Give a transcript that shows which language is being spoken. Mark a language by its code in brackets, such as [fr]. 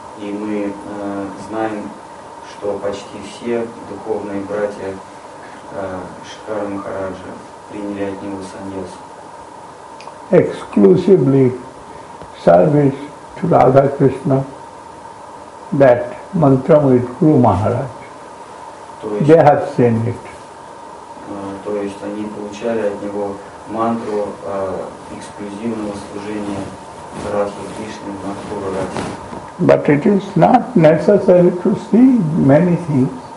[ru] И мы знаем, что почти все духовные братья Шридхара Махараджа приняли от него сандес. [en] Exclusively service to Radha Krishna, that mantra with Guru Maharaj. They have seen it. [ru] То есть они получали от него мантру эксклюзивного служения Радхи Кришны в Мадхура Расе. [en] But it is not necessary to see many things.